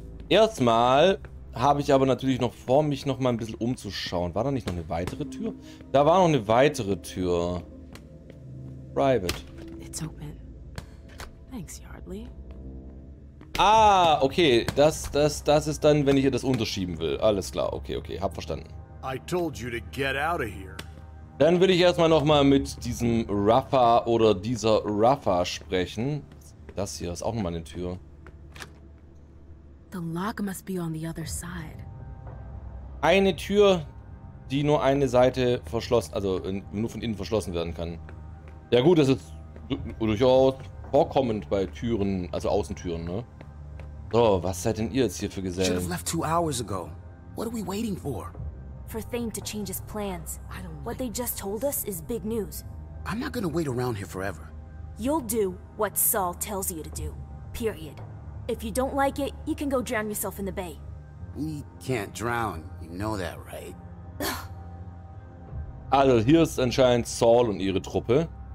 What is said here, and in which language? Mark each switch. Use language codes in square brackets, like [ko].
[de] Erstmal habe ich aber natürlich noch vor, mich noch mal ein bisschen umzuschauen. War da nicht noch eine weitere Tür? Da war noch eine weitere Tür. [en] Private. It's open. Thanks, Yardley. [de] Ah, okay. Das ist dann, wenn ich ihr das unterschieben will. Alles klar. Okay. Hab verstanden. [en] I told you to get out of here. [de] Dann würde ich erstmal nochmal mit diesem Rafa oder dieser Rafa sprechen. Das hier ist auch nochmal eine Tür. [en] The lock must be on the other side. [de] Eine Tür, die nur eine Seite verschlossen, also nur von innen verschlossen werden kann. Ja gut, das ist durchaus vorkommend bei Türen, also Außentüren, ne? So, was seid denn ihr jetzt hier für Gesellen? [en] Should have left 2 hours ago. What are we waiting for? For Thane to change his plans. What they just told us is big news. I'm not gonna wait around here forever. You'll do what Saul tells you to do. Period. If you don't like it, you can go drown yourself in the bay. We can't drown. You know that, right? [de] Also, hier ist anscheinend Saul und ihre Truppe.